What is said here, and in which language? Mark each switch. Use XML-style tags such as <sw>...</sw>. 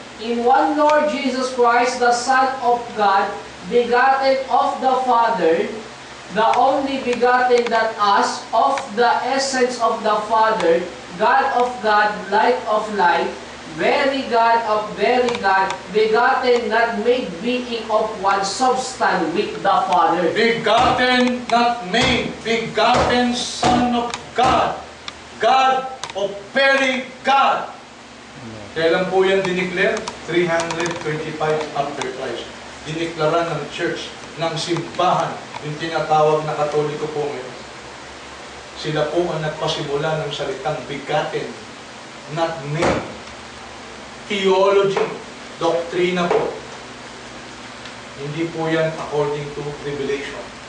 <en>In one Lord Jesus Christ, the Son of God, begotten of the Father, the only begotten that us, of the essence of the Father, God of God, light of light, very God of very God, begotten, not made, being of one substance with the Father. Begotten, not made, begotten Son of God, God of very God.</en> <tl>Kailan po yan diniklare? 325</tl> <en>after Christ.</en> <tl>Diniklara ng church, ng simbahan, yung tinatawag na katoliko po ngayon. Sila po ang nagpasimula ng salitang</tl> <en>begotten, not made.</en> <tl>Theology, doktrina po. Hindi po yan</tl> <en>according to Revelation.</en>